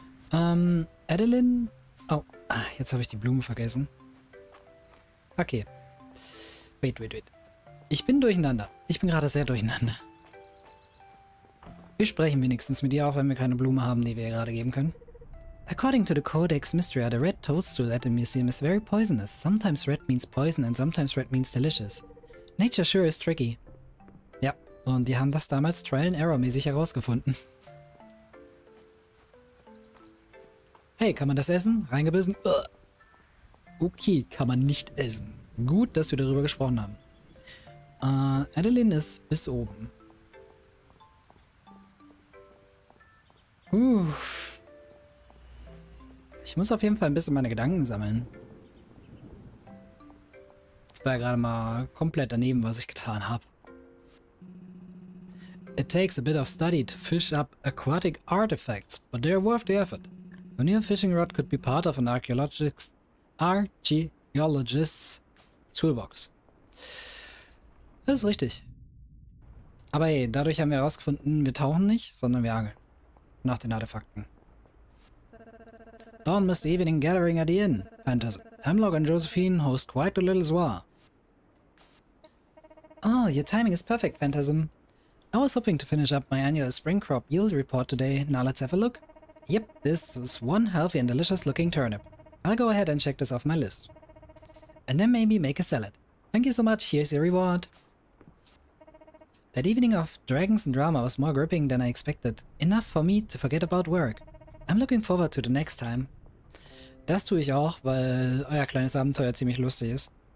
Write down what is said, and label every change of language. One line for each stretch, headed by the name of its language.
German: Adeline. Oh, jetzt habe ich die Blume vergessen. Okay. Wait. Ich bin durcheinander. Ich bin gerade sehr durcheinander. Wir sprechen wenigstens mit ihr, auch wenn wir keine Blume haben, die wir ihr gerade geben können.
English: According to the Codex Mystria, the red toadstool at the museum is very poisonous. Sometimes red means poison and sometimes red means delicious. Nature sure is tricky.
German: Ja, und die haben das damals Trial and Error mäßig herausgefunden. Hey, kann man das essen? Reingebissen? Okay, kann man nicht essen. Gut, dass wir darüber gesprochen haben. Adeline ist bis oben. Ich muss auf jeden Fall ein bisschen meine Gedanken sammeln. Das war ja gerade mal komplett daneben, was ich getan habe.
English: It takes a bit of study to fish up aquatic artifacts, but they're worth the effort. A new fishing rod could be part of an archaeologist's toolbox.
German: Das ist richtig. Aber hey, dadurch haben wir herausgefunden, wir tauchen nicht, sondern wir angeln. Nach den Artefakten.
English: Dawn missed the evening gathering at the inn. Fantasy. Hemlock and Josephine host quite a little soir. Oh, your timing is perfect, Phantasm. I was hoping to finish up my annual spring crop yield report today. Now let's have a look. Yep, this is one healthy and delicious looking turnip. I'll go ahead and check this off my list. And then maybe make a salad. Thank you so much, here's your reward. That evening of dragons and drama was more gripping than I expected. Enough for me to forget about work. I'm looking forward to the next time.
German: Das tue ich auch, weil euer kleines Abenteuer ziemlich lustig ist.